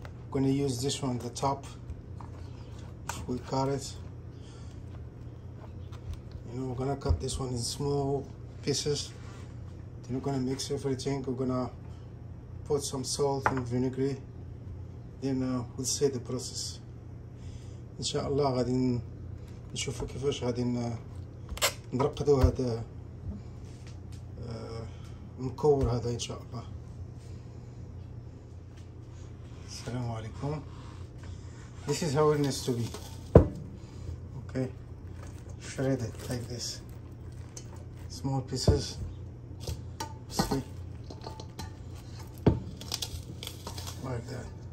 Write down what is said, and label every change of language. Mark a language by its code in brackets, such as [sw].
[en] We're gonna use this one, the top. We cut it, you know, we're gonna cut this one in small pieces. Then we're gonna mix everything. We're gonna put some salt and vinegar. Then we'll see the process. [ar] Inshallah, غادي نشوفوا كيفاش غادي نرقدوا هذا المكور هذا ان شاء الله. السلام عليكم. [en] This is how it needs to be. Okay, shred it like this. Small pieces. See? Like that.